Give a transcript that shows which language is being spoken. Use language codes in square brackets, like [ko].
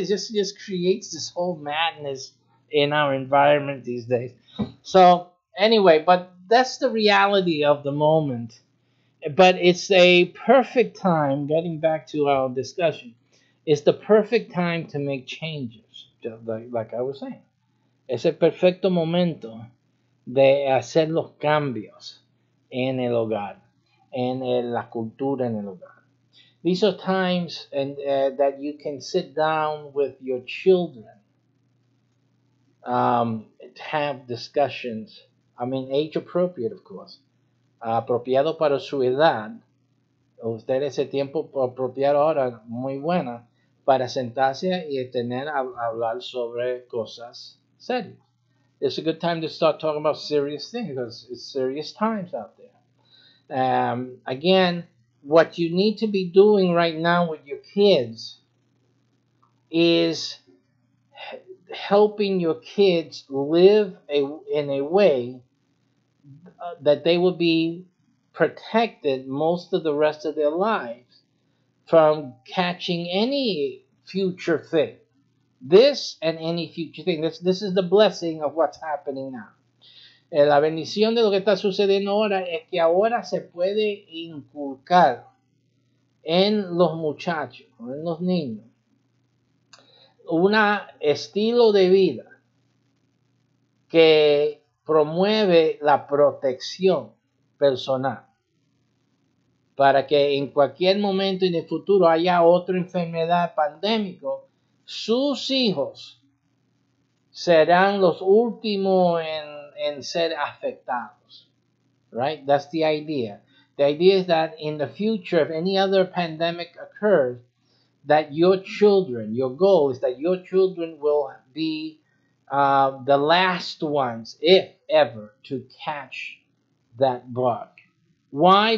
[en] It just creates this whole madness in our environment these days. So anyway, but that's the reality of the moment. But it's a perfect time, getting back to our discussion. It's the perfect time to make changes, like I was saying. [es] Es el perfecto momento de hacer los cambios en el hogar, en la cultura en el hogar. [en] These are times and that you can sit down with your children, have discussions, I mean, age appropriate, of course, [es] apropiado para su edad, usted ese tiempo apropiado ahora muy buena para sentarse y tener a hablar sobre cosas serias. [en] It's a good time to start talking about serious things because it's serious times out there. Again, what you need to be doing right now with your kids is helping your kids live in a way that they will be protected most of the rest of their lives from catching any future thing. This and any future thing. This is the blessing of what's happening now. [es] La bendición de lo que está sucediendo ahora es que ahora se puede inculcar en los muchachos, en los niños, un estilo de vida que promueve la protección personal para que en cualquier momento en el futuro haya otra enfermedad pandémica. Sus hijos serán los últimos en ser afectados, right? [en] That's the idea. The idea is that in the future, if any other pandemic occurs, that your children, your goal is that your children will be the last ones, if ever, to catch that bug. Why?